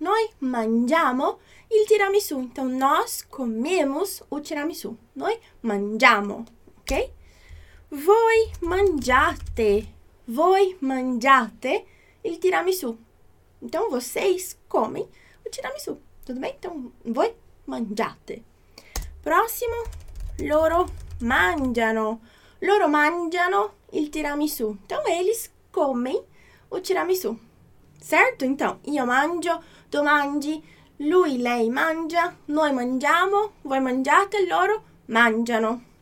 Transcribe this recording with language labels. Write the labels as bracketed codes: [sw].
[it] Noi mangiamo il tiramisù. [pt] Então, nós comemos o tiramisù. [it] Noi mangiamo, ok? Voi mangiate. Voi mangiate il tiramisù. [pt] Então, vocês comem o tiramisù, tudo bem? Então, [it] voi mangiate. Prossimo, loro mangiano. Loro mangiano il tiramisù. [pt] Então, eles comem o tiramisù. Certo? Então, [it] io mangio, tu mangi, lui, lei mangia, noi mangiamo, voi mangiate, loro mangiano.